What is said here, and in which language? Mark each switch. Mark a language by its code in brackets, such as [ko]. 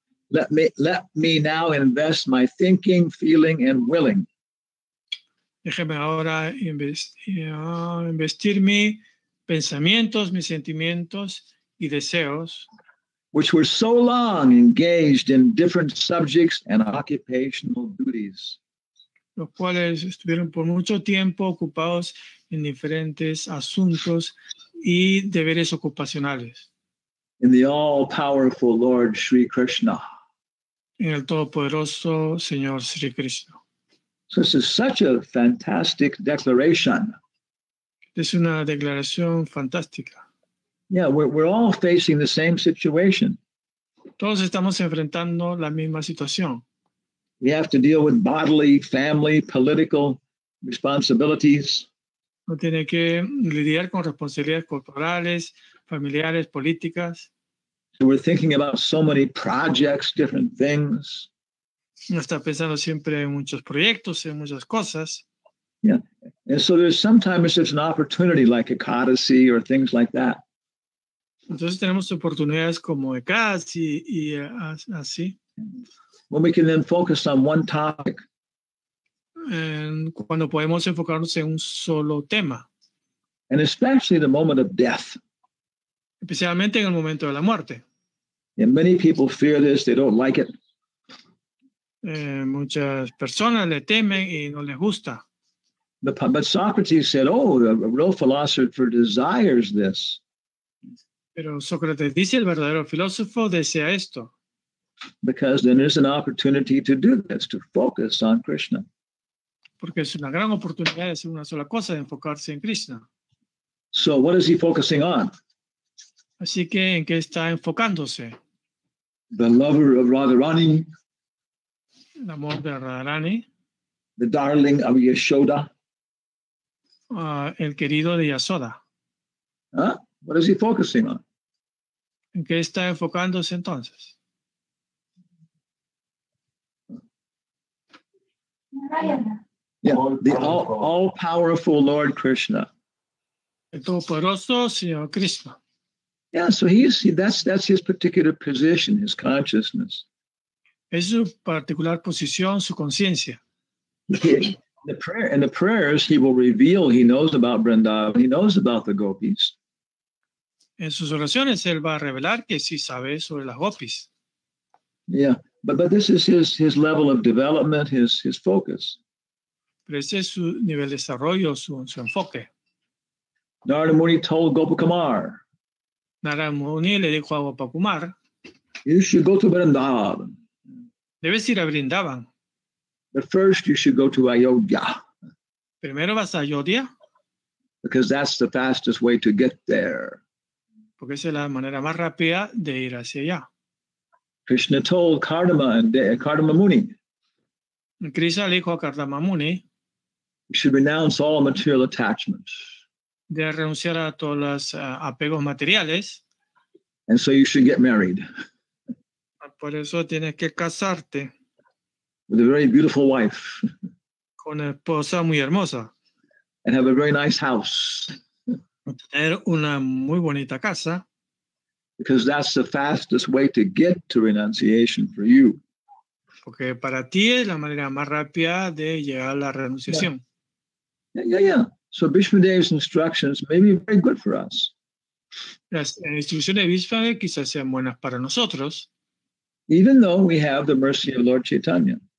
[en] Let me now invest my thinking, feeling, and willing. [es] Déjeme ahora investir mi pensamientos, mis sentimientos y deseos. [en] Which were so long engaged in different subjects and occupational duties. [es] Los cuales estuvieron por mucho tiempo ocupados en diferentes asuntos y deberes ocupacionales. [en] In the all-powerful Lord Sri Krishna. [es] En el todopoderoso Señor Sri Krishna. [en] So this is such a fantastic declaration. [es] Es una declaración fantástica. [en] Yeah, we're all facing the same situation. [es] Todos estamos enfrentando la misma situación. [en] We have to deal with bodily, family, political responsibilities. [es] Uno tiene que lidiar con responsabilidades corporales, familiares, políticas. [en] So we're thinking about so many projects, different things. [es] Uno está pensando siempre en muchos proyectos, en muchas cosas. [en] Yeah, and so there's sometimes there's an opportunity like Ekadasi or things like that. [es] Entonces tenemos oportunidades como Ekadasi y así. [en] When we can then focus on one topic. [es] And cuando podemos enfocarnos en un solo tema. [en] And especially the moment of death. [es] Especialmente en el momento de la muerte. [en] And many people fear this, they don't like it. [es] Muchas personas le temen y no les gusta. [en] But Socrates said, oh, a real philosopher desires this. [es] Pero Sócrates dice, el verdadero filósofo desea esto. [en] Because then there's an opportunity to do this, to focus on Krishna. [es] Porque es una gran oportunidad de hacer una sola cosa, de enfocarse en Krishna. [en] So what is he focusing on? [es] Así que, ¿en qué está enfocándose? [en] The lover of Radharani. [es] El amor de Radharani. [en] The darling of Yashoda. [es] El querido de Yashoda. [en] Huh? What is he focusing on? [es] ¿En qué está enfocándose entonces? [en] Yeah, the all-powerful Lord Krishna. [es] El todopoderoso Señor Krishna. [en] Yeah, so that's his particular position, his consciousness. [es] Es su particular posición, su conciencia. [en] In the prayers, he will reveal he knows about Vrindavan, he knows about the gopis. [es] En sus oraciones, él va a revelar que sí sabe sobre las gopis. Yeah. [en] But this is his level of development, his focus. [es] Pero ese es su nivel de desarrollo, su enfoque. [en] Narada Muni told Gopakumar. [es] Narada Muni le dijo a Gopakumar. [en] You should go to Vrindavan. [es] Debes ir a Vrindavan. [en] But first you should go to Ayodhya. [es] Primero vas a Ayodhya. [en] Because that's the fastest way to get there. [es] Porque esa es la manera más rápida de ir hacia allá. [en] Krishna told Kardama and Kardama Muni. [es] Krishna le dijo a Kardama Muni. [en] You should renounce all material attachments. [es] De renunciar a todos los apegos materiales. [en] And so you should get married. [es] Por eso tienes que casarte. [en] With a very beautiful wife. [es] Con una esposa muy hermosa. [en] And have a very nice house. [es] Tener una muy bonita casa. [en] Because that's the fastest way to get to renunciation for you. [es] Porque para ti es la manera más rápida de llegar a la renunciación. [en] Yeah. So Bhishmadeva's instructions may be very good for us. [es] Las instrucciones de Bhishmadeva quizás sean buenas para nosotros. [en] Even though we have the mercy of Lord Chaitanya.